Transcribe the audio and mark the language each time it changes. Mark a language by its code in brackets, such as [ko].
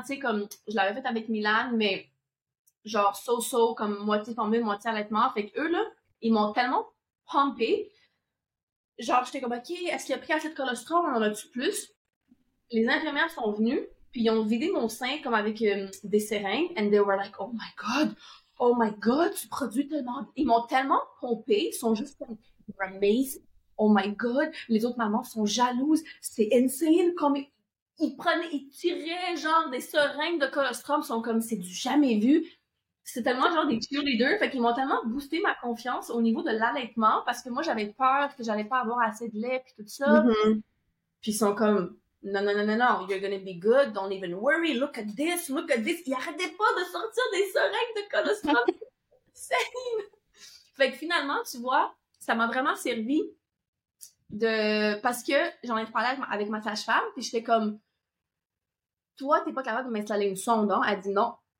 [fr] Tu sais, comme je l'avais fait avec Milan, mais genre so-so, comme moitié formule, moitié allaitement. Fait qu'eux, là, ils m'ont tellement pompé. Genre, j'étais comme, OK, est-ce qu'il a pris assez de colostrum? On en a-tu plus? Les infirmières sont venues. Puis ils ont vidé mon sein comme avec des seringues. [en] And they were like, oh my god, [fr] tu produis tellement. Ils m'ont tellement pompé, ils sont juste comme, [en] you're amazing, oh my god. [fr] Les autres mamans sont jalouses, c'est insane. Comme ils prenaient, ils tiraient genre des seringues de colostrum, ils sont comme, c'est du jamais vu. C'est tellement genre des cheerleaders. Fait qu'ils m'ont tellement boosté ma confiance au niveau de l'allaitement parce que moi j'avais peur que j'allais pas avoir assez de lait, puis tout ça. Mm-hmm. Puis ils sont comme, non, non, [en] non, non, non, you're gonna be good, don't even worry, look at this, look at this. [fr] Ils arrêtaient pas de sortir des seringues de colostrum. C'est insane. Fait que finalement, tu vois, ça m'a vraiment servi de. Parce que j'en ai parlé avec ma sage-femme, puis j'étais comme, toi, t'es pas capable de m'installer une sonde, hein? Elle dit non.